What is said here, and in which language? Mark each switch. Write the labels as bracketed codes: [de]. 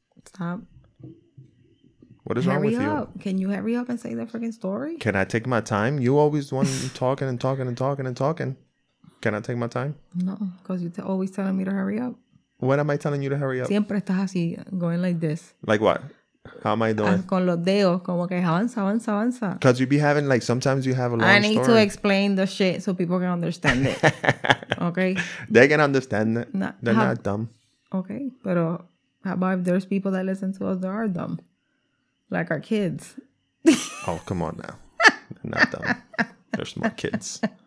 [en] Stop. What is hurry wrong with up. You? Can you hurry up and say the freaking story? Can I take my time? You always want talking and talking and talking and talking. Can I take my time? No, because you're always telling me to hurry up. When am I telling you to hurry up? [es] Siempre estás así, [en] going like this. Like what? How am I doing? [es] Con los dedos, como que avanza, avanza, avanza. [en] Because you be having, like, sometimes you have a long story. I need story. To explain the shit so people can understand it. Okay? They can understand it. They're not dumb. Okay, but how about if there's people that listen to us that are dumb? Like our kids. Oh, come on now. They're not dumb. They're smart kids.